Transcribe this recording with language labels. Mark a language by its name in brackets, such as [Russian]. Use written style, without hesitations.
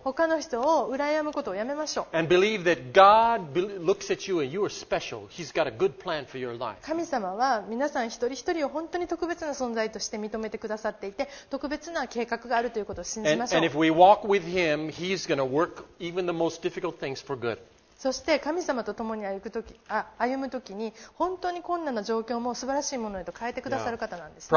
[Japanese] 他の人を羨むことをやめましょう。 [English] And believe that God looks at you and you are special. He's got a good plan for your life. [Japanese] 神様は皆さん一人一人を本当に特別な存在として認めてくださっていて、特別な計画があるということを信じましょう。 [English] And if we walk with him, he's going to work even the most difficult things for good. [Japanese] そして神様と共に歩むときに本当に困難な状況も素晴らしいものへと変えてくださる方なんですね。